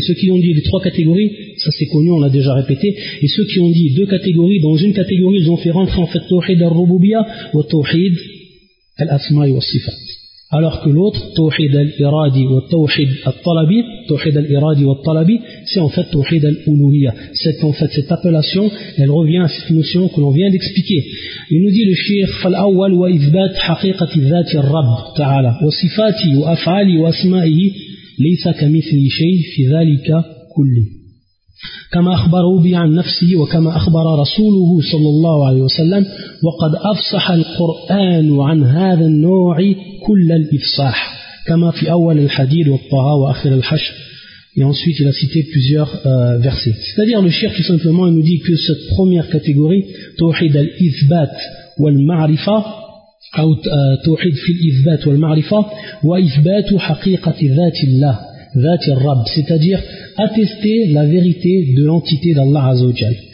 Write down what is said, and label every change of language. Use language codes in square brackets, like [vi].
[fr] Ceux qui ont dit les trois catégories, ça c'est connu, on l'a déjà répété. Et ceux qui ont dit deux catégories, dans une catégorie ils ont fait rentrer en fait tawhid al-rububiyya wa tawhid al-asma'i wa sifat. Alors que l'autre, tawhid al-iradi wa tawhid al-talabi, tawhid al-iradi wa talabi, c'est en fait tawhid al-uluhiyya. Cette appellation, elle revient à cette notion que l'on vient d'expliquer. Il nous dit le shaykh, [ar] فَالْأَوَّلْ وَإِذْبَاتْ حَقِيقَةِ ذَاتِ الرَّبِّ تَعَالَى وَصِفَاتِ وَأَفْعَالِ وَأَسْمَائِهِ لَيْسَ كَمِثْلِ شَيْءٍ فِي ذَلِكَ كُلِّهِ كما أخبره به عن نفسه وكما أخبر رسوله صلى الله عليه وسلم وقد أفصح القرآن عن هذا النوع كل الإفصاح كما في أول الحديث والطه وآخر الحشر. [fr] Et ensuite il a cité plusieurs versets. C'est-à-dire le shir tout simplement il nous dit que cette première catégorie [ar] توحيد الإثبات والمعرفة أو توحيد في الإثبات والمعرفة وإثبات حقيقة ذات الله ذات الرب, [fr] c'est-à-dire attester la vérité de l'entité d'Allah Azzawajal.